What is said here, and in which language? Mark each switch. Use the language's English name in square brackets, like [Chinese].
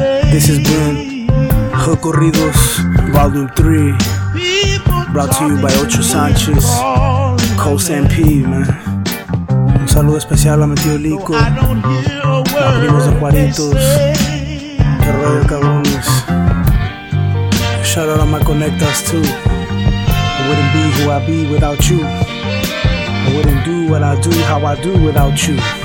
[English] This has been Recorridos Volume 3, brought to you by Ocho Sanchez, Coast MP, man. [Spanish] Un saludo especial a mi tío Lico, a primos de Juaritos, que rollo cabrones. [English] Shout out a my connectas, too. I wouldn't be who I be without you. I wouldn't do what I do, how I do without you.